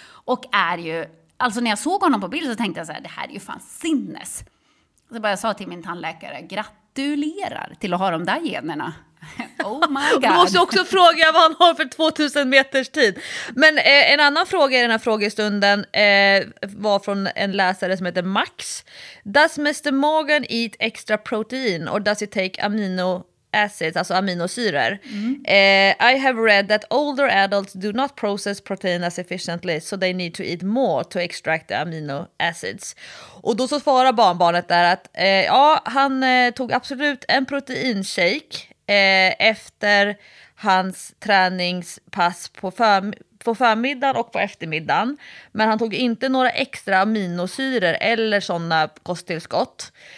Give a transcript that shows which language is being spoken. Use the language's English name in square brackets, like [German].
[Swedish] Och är ju, alltså när jag såg honom på bild så tänkte jag så här, det här är ju fan sinnes. Så bara jag sa till min tandläkare, gratulerar till att ha de där generna. [English] Oh my god. [Swedish] Måste också fråga vad han har för 2000 meters tid. Men en annan fråga i den här frågestunden var från en läsare som heter Max. [English] Does Mr. Morgan eat extra protein or does he take amino acids, [Swedish] alltså aminosyror? [English] I have read that older adults do not process protein as efficiently, so they need to eat more to extract the amino acids. [Swedish] Och då så svarar barnbarnet där att ja, han tog absolut en proteinshake efter hans träningspass på förmiddagen och på eftermiddagen. Men han tog inte några extra aminosyror eller sådana kosttillskott.